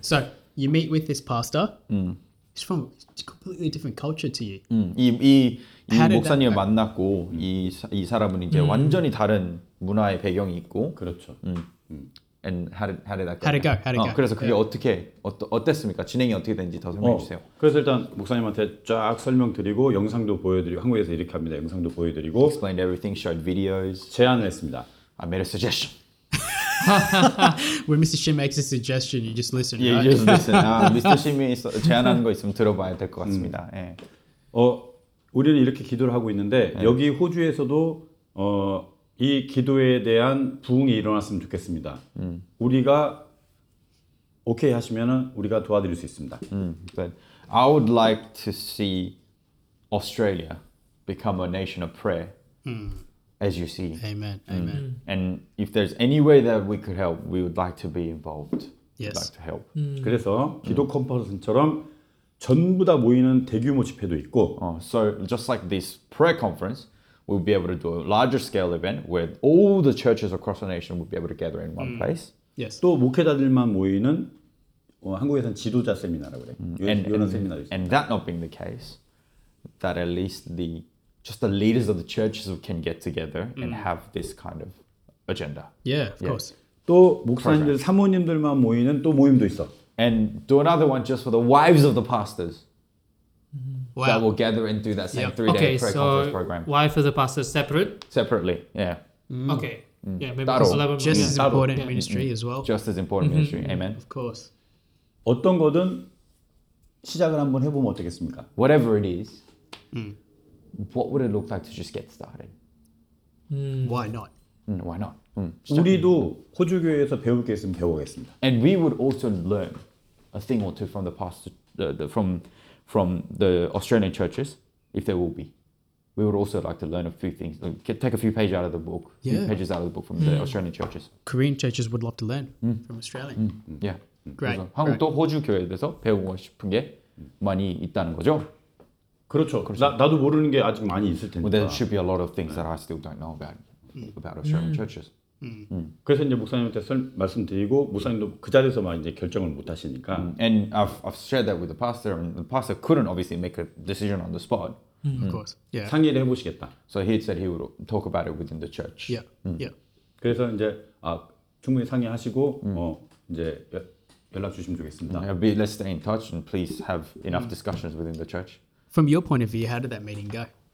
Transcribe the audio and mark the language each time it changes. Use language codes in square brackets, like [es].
[en] So, you meet with this pastor. He's from a completely different culture to you. [ko] 이 목사님을 만났고 이 사람은 이제 완전히 다른 문화의 배경이 있고 그렇죠. [en] And how did that go? How'd it go? [ko] 그래서 그게 어떻게 어땠습니까? 진행이 어떻게 된지 더 설명해 주세요. 그래서 일단 목사님한테 쫙 설명드리고 영상도 보여드리고 한국에서 이렇게 합니다. 영상도 보여드리고 [en] explained everything, showed videos. [ko] 제안을 했습니다. [en] I made a suggestion. When Mr. Shin makes a suggestion, you just listen. Yeah, right? You just listen. 아, Mr. [ko] Shin이 제안하는 거 있으면 들어봐야 될 것 같습니다. 예. 우리는 이렇게 기도를 하고 있는데 여기 호주에서도 이 기도에 대한 부응이 일어났으면 좋겠습니다. 우리가 오케이 하시면은 우리가 도와드릴 수 있습니다. [en] But I would like to see Australia become a nation of prayer. As you see. Amen. Amen. And if there's any way that we could help, we would like to be involved. Yes. Like to help. [ko] 그래서 기도 컨퍼런스처럼 전부 다 모이는 대규모 집회도 있고. [en] So just like this prayer conference, we'll be able to do a larger scale event where all the churches across the nation will be able to gather in one place. Yes. [ko] 또 목회자들만 모이는 한국에선 지도자 세미나라고 그래. 요런 세미나도 있어. [en] And that not being the case, that at least the just the leaders of the churches can get together and have this kind of agenda. Yeah, of course. [ko] 또 목사님들 사모님들만 모이는 또 모임도 있어. [en] And do another one just for the wives of the pastors. Wow. That will gather and do that same three-day prayer conference program. Okay, so wife of the pastor separate? Separately, yeah. Okay. Yeah, maybe 11 just as important ministry as well. Just as important ministry, amen. Of course. [ko] 어떤 거든 시작을 한번 해보면 어떻겠습니까? [en] Whatever it is, what would it look like to just get started? Why not? Why not? 우리도 호주 교회에서 배울 게 있으면 배우겠습니다. And we would also learn a thing or two from the pastor, from the Australian churches, if there will be. We would also like to learn a few things, take a few pages out of the book, from the Australian churches. Korean churches would love to learn from Australia. Yeah. Great. [ko] 한국도 호주 교회에서 배우고 싶은 게 많이 있다는 거죠. 그렇죠. 나도 모르는 게 아직 많이 있을 테니까. [en] Well, there should be a lot of things that I still don't know about Australian churches. [ko] 그래서 이제 목사님한테 말씀드리고 목사님도 그 자리에서 막 이제 결정을 못 하시니까. [en] And I've shared that with the pastor, and the pastor couldn't obviously make a decision on the spot. Of course. Yeah. [ko] 상의를 해보시겠다. [en] So he said he would talk about it within the church. Yeah. Yeah. [ko] 그래서 이제 충분히 상의하시고 이제 연락 주시면 좋겠습니다. [en] Let's stay in touch and please have enough discussions within the church. From your point of view, how did that meeting go?